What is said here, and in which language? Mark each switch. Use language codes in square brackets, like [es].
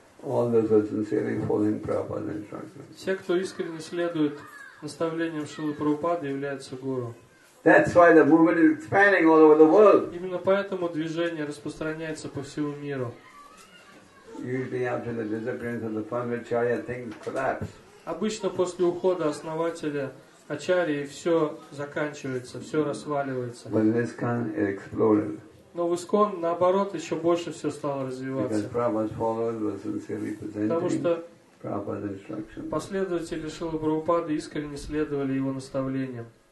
[en] All those who are sincerely following Prabhupada's instructions. [ru] Все, кто искренне следует наставлениям Шрилы Прабхупады, являются гуру. [en] That's why the movement is expanding all over the world. [ru] Именно поэтому движение распространяется по всему миру. [en] Usually after the disappearance of the founder Acharya, things collapse. [ru] Обычно после ухода основателя Ачарьи все заканчивается, все разваливается. Но в Искон, наоборот, еще больше все стало развиваться. Потому что Последователи Шрилы Прабхупады искренне следовали его наставлениям.